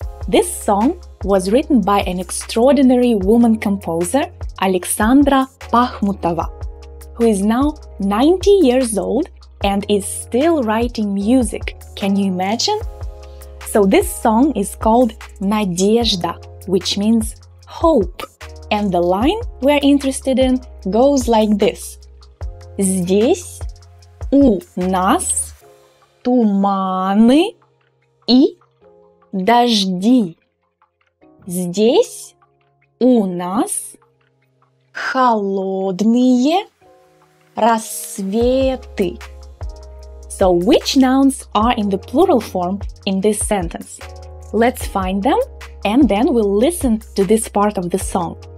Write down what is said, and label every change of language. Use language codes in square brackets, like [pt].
[en] This song was written by an extraordinary woman composer, Alexandra Pakhmutova, who is now 90 years old and is still writing music. Can you imagine? So this song is called «Надежда», which means hope. And the line we're interested in goes like this. [ru] Здесь у нас туманы и дожди. Здесь у нас холодные рассветы. [en] So which nouns are in the plural form in this sentence? Let's find them and then we'll listen to this part of the song.